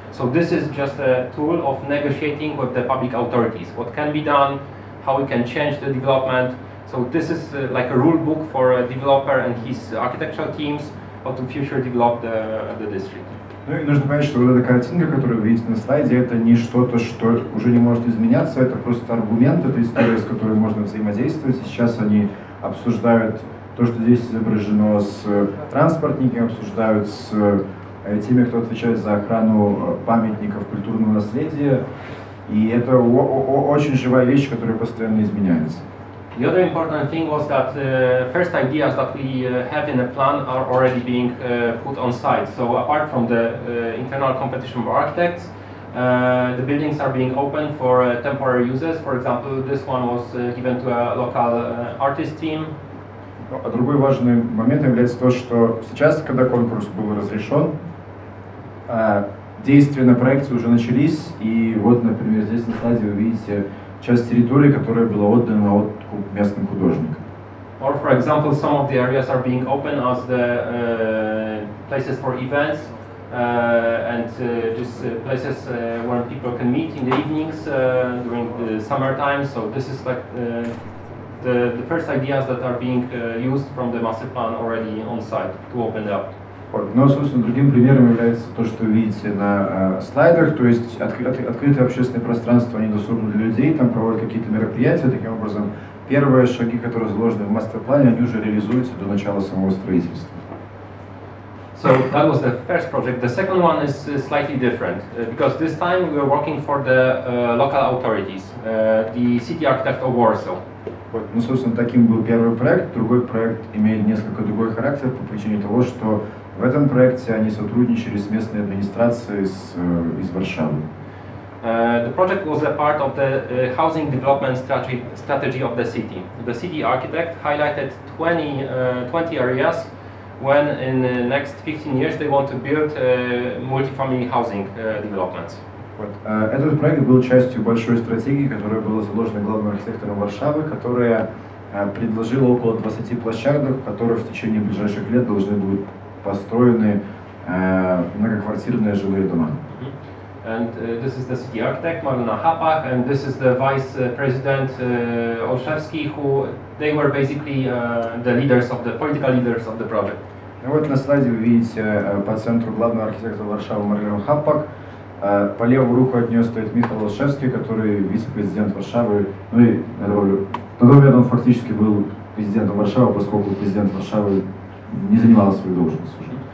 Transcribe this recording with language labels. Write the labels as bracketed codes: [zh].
[en] So this is just a tool of negotiating with the public authorities. What can be done? How we can change the development. So this is like a rule book for a developer and his architectural teams how to future develop the district. [ru] Ну и нужно понять, что вот эта картинка, которую вы видите на слайде, это не что-то, что уже не может изменяться, это просто аргумент, это история, с которой можно взаимодействовать. Сейчас они обсуждают то, что здесь изображено с транспортниками, обсуждают с теми, кто отвечает за охрану памятников культурного наследия. И это очень живая вещь, которая постоянно изменяется. [en] The other important thing was that first ideas that we have in the plan are already being put on site. So apart from the internal competition of architects, the buildings are being open for temporary uses. For example, this one was given to a local artist team. [ru] А другой важный момент является то, что сейчас, когда конкурс был разрешен, действия на проекте уже начались, и вот, например, здесь на слайде вы видите часть территории, которая была отдана на откуп местным художникам. [en] Or, for example, some of the areas are being open as the places for events and just places where people can meet in the evenings during the summer time. So this is like the first ideas that are being used from the master plan already on site to open up. [ru] Ну, собственно, другим примером является то, что вы видите на слайдах, то есть открытое общественное пространство, они доступны для людей, там проводят какие-то мероприятия, таким образом, первые шаги, которые заложены в мастер-плане, они уже реализуются до начала самого строительства. [en] So that was the first project. The second one is slightly different because this time we were working for the local authorities, the city architect of Warsaw. [ru] Вот, ну, собственно, таким был первый проект. Другой проект имеет несколько другой характер по причине того, что в этом проекте они сотрудничали с местной администрацией из Варшавы. [en] The project was a part of the housing development strategy of the city. The city architect highlighted 20 areas when in the next 15 years they want to build multifamily housing developments. [ru] Вот. Этот проект был частью большой стратегии, которая была заложена главным архитектором Варшавы, которая предложила около 20 площадок, которые в течение ближайших лет должны будут построены многоквартирные жилые дома. [en] And this is the city architect Marlena Hapak, and this is the vice president Olszewski, who they were basically the leaders of the political leaders of the project. [ru] Ну вот на слайде вы видите по центру главного архитектора Варшавы Марлену Хапак. По левую руку от нее стоит Михаил Олшевский, который вице-президент Варшавы. Ну и на роль. На тот момент он фактически был президентом Варшавы, поскольку президент Варшавы не занимал свою должность уже.